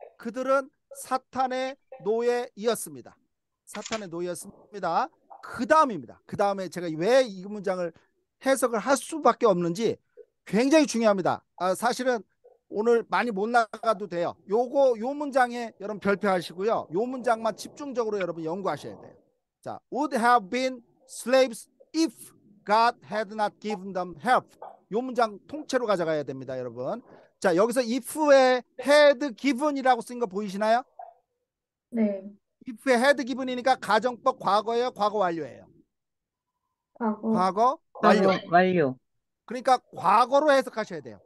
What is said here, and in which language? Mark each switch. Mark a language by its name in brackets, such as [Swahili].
[Korean] 그들은 사탄의 노예이었습니다. 사탄의 노예였습니다. 그 다음입니다. 그 다음에 제가 왜이 문장을 해석을 할 수밖에 없는지 굉장히 중요합니다. 아, 사실은 오늘 많이 못 나가도 돼요. 요거 요 문장에 여러분 별표하시고요. 요 문장만 집중적으로 여러분 연구하셔야 돼요. [English] 자, would have been slaves if God had not given them help. [Korean] 요 문장 통째로 가져가야 됩니다, 여러분. 자, 여기서 if에 had given이라고 쓴거 보이시나요? 네. if에 had given이니까 가정법 과거예요, 과거 완료예요. 하고 과거 완료. 완료. 그러니까 과거로 해석하셔야 돼요.